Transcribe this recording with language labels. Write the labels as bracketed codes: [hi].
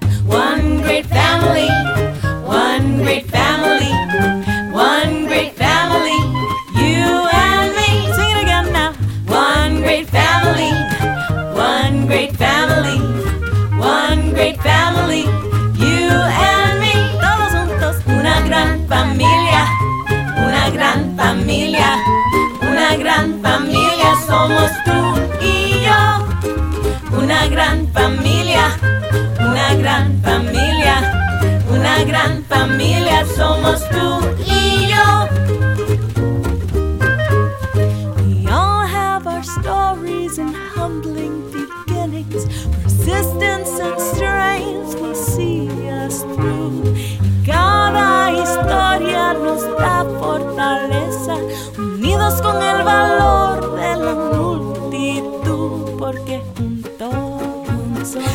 [en] one great family, one great family, one great family, you and me. Sing it again now. One great family, one great family, one great family, you and me. [es] Todos juntos, una gran familia, una gran familia, una gran familia somos tú y yo. Una gran familia, una gran familia, una gran familia somos tú y yo. [en] We all have our stories and humbling beginnings. Persistence and strength will see us through. [es] Cada historia nos da fortaleza, unidos con el valor de la multitud, porque juntos,